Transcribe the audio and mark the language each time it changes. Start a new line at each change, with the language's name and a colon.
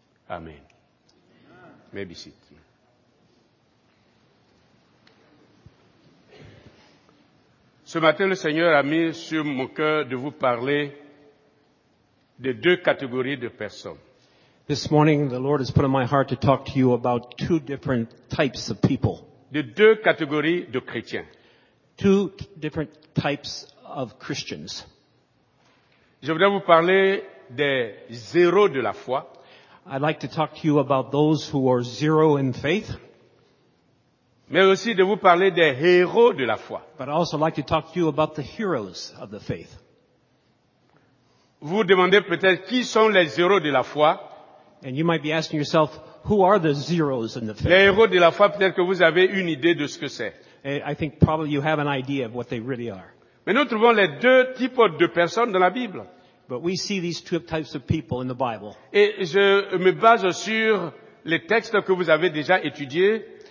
English: Amen. May be seated.
French: Ce matin, le Seigneur a mis sur mon cœur de vous parler de deux catégories de personnes.
English: This morning, the Lord has put on my heart to talk to you about two different types of people.
French: De deux catégories de chrétiens.
English: Two different types of Christians.
French: Je voudrais vous parler des zéros de la foi.
English: I'd like to talk to you about those who are zero in faith.
French: Mais aussi de vous parler des héros de la foi.
English: But I also like to talk to you about the heroes of the faith.
French: Vous demandez peut-être qui sont les héros de la foi.
English: And you might be asking yourself, who are the zeros in the faith?
French: Les héros de la foi, peut-être que vous avez une idée de ce que c'est.
English: And I think probably you have an idea of what they really are.
French: Mais nous trouvons les deux types de personnes dans la Bible.
English: But we see these two types of people in the Bible.
French: Et je me base sur les textes que vous avez déjà étudiés.